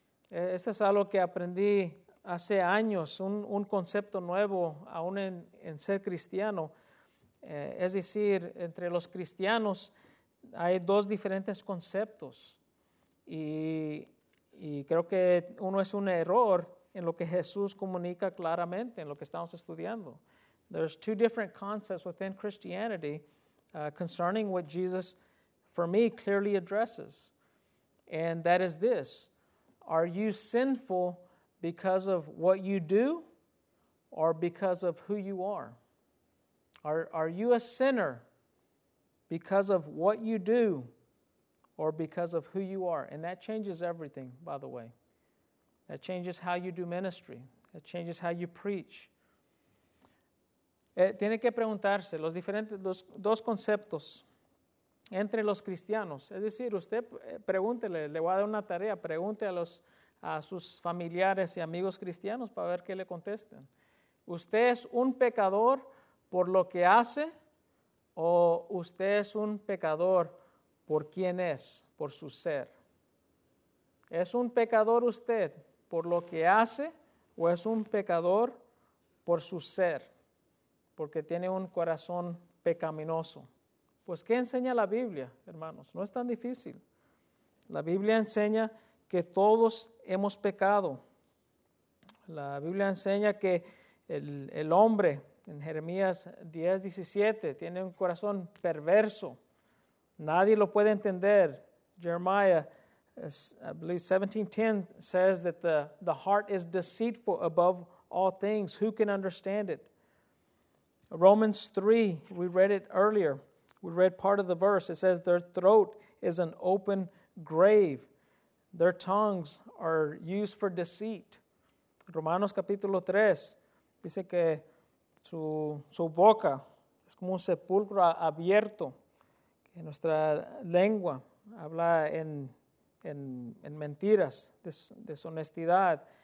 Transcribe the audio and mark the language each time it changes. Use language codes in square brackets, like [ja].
[es] Esto es algo que aprendí hace años, un concepto nuevo aún en ser cristiano. Es decir, entre los cristianos hay dos diferentes conceptos y creo que uno es un error en lo que Jesús comunica claramente, en lo que estamos estudiando. [en] There's two different concepts within Christianity concerning what Jesus, for me, clearly addresses. And that is this: are you sinful because of what you do or because of who you are? Are you a sinner because of what you do or because of who you are? And that changes everything, by the way. That changes how you do ministry. That changes how you preach. [es] Tiene que preguntarse los dos conceptos entre los cristianos. Es decir, usted pregúntele, le voy a dar una tarea, pregúntele a sus familiares y amigos cristianos para ver qué le contestan. ¿Usted es un pecador por lo que hace o usted es un pecador por quién es, por su ser? ¿Es un pecador usted por lo que hace o es un pecador por su ser? Porque tiene un corazón pecaminoso. Pues, ¿qué enseña la Biblia, hermanos? No es tan difícil. La Biblia enseña que todos hemos pecado. La Biblia enseña que el hombre, en Jeremías 10, 17, tiene un corazón perverso. Nadie lo puede entender. [en] Jeremiah, I believe 17:10 says that the heart is deceitful above all things. Who can understand it? Romans 3, we read it earlier. We read part of the verse. It says their throat is an open grave. Their tongues are used for deceit. [es] Romanos capítulo 3, dice que su boca es como un sepulcro abierto. Que nuestra lengua habla en mentiras, deshonestidad.